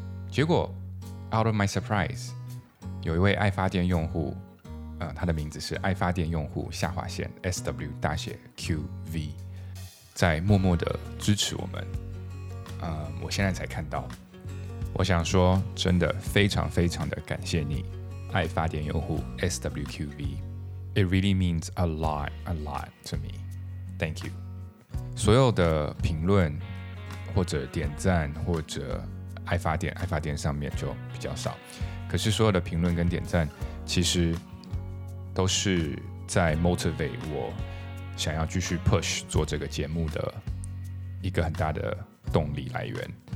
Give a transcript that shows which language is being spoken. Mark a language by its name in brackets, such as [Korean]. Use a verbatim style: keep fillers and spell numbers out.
[Chinese] 结果 out of my surprise，有一位爱发电用户，呃，他的名字是爱发电用户下划线 S W 大写 Q V， 在默默的支持我们。呃，我现在才看到，我想说，真的非常非常的感谢你，爱发电用户 S W Q V。 [English] It really means a lot, a lot to me. Thank you. [Chinese] 所有的评论或者点赞或者爱发电，爱发电上面就比较少，可是所有的评论跟点赞其实都是在 motivate 我想要继续 push 做这个节目的一个很大的动力来源。